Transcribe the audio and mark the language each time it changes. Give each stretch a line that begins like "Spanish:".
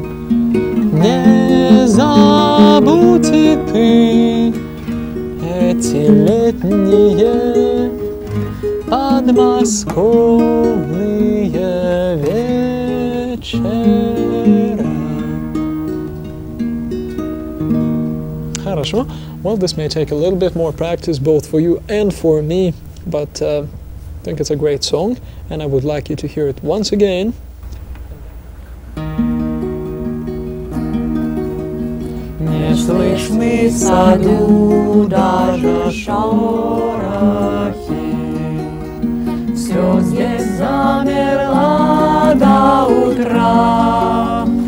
Russian: Не забудь и ты эти летние подмосковные вечера. Хорошо.
English: Well, this may take a little bit more practice both for you and for me, but I think it's a great song, and I would like you to hear it once again.
Russian: Не слышны в саду даже шорохи, все здесь замерло до утра.